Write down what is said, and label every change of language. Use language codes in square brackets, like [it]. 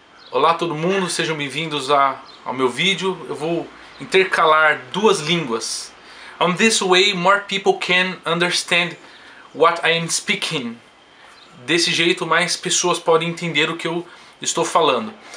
[pt] Olá todo mundo, sejam bem-vindos ao meu vídeo. Eu vou intercalar duas línguas. [en] On this way, more people can understand what I am speaking. [pt] Desse jeito, mais pessoas podem entender o que eu estou falando.